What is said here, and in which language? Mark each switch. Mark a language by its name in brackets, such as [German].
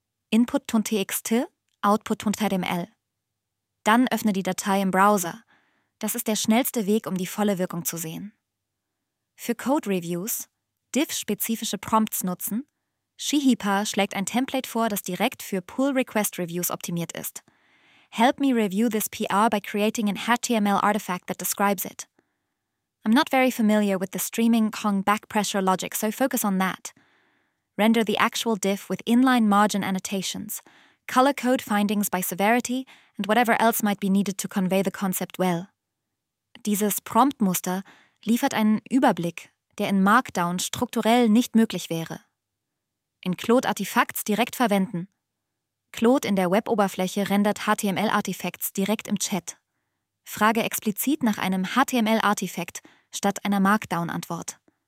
[German] Input.txt, Output.html. Dann öffne die Datei im Browser. Das ist der schnellste Weg, um die volle Wirkung zu sehen. Für Code-Reviews, diff-spezifische Prompts nutzen. Shihipa schlägt ein Template vor, das direkt für Pull-Request-Reviews optimiert ist. [English] Help me review this PR by creating an HTML artifact that describes it. I'm not very familiar with the streaming Kong backpressure logic, so focus on that. Render the actual diff with inline margin annotations, color code findings by severity, and whatever else might be needed to convey the concept well. [German] Dieses Prompt-Muster liefert einen Überblick, der in Markdown strukturell nicht möglich wäre. In Claude Artifacts direkt verwenden. Claude in der Web-Oberfläche rendert HTML-Artifacts direkt im Chat. Frage explizit nach einem HTML-Artifact statt einer Markdown-Antwort.